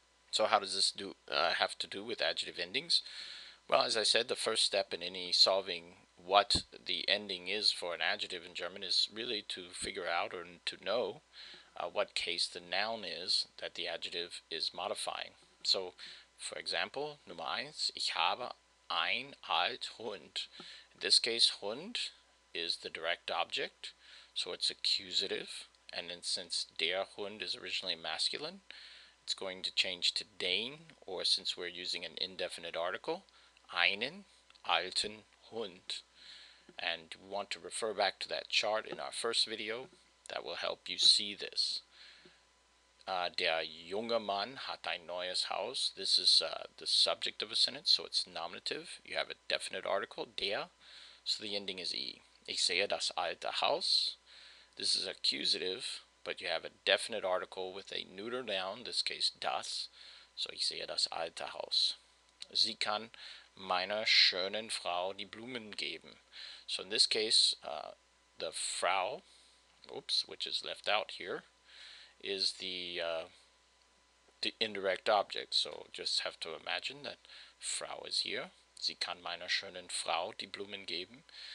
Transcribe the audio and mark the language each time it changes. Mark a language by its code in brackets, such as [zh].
[en] So how does this have to do with adjective endings? Well, as I said, the first step in any solving what the ending is for an adjective in German is really to figure out or to know what case the noun is that the adjective is modifying. So, for example, [de] Nummer 1, ich habe ein alt Hund. [en] In this case, Hund is the direct object, so it's accusative. And then since der Hund is originally masculine, it's going to change to den, or since we're using an indefinite article, [de] einen alten Hund. [en] And we want to refer back to that chart in our first video. That will help you see this. [de] Der junge Mann hat ein neues Haus. [en] This is the subject of a sentence, so it's nominative. You have a definite article, der, so the ending is e. [de] Ich sehe das alte Haus. [en] This is accusative, but you have a definite article with a neuter noun, in this case das, so [de] ich sehe das alte Haus. Sie kann meiner schönen Frau die Blumen geben. [en] So in this case, the Frau, oops, which is left out here, is the indirect object. So just have to imagine that Frau is here. [de] Sie kann meiner schönen Frau die Blumen geben.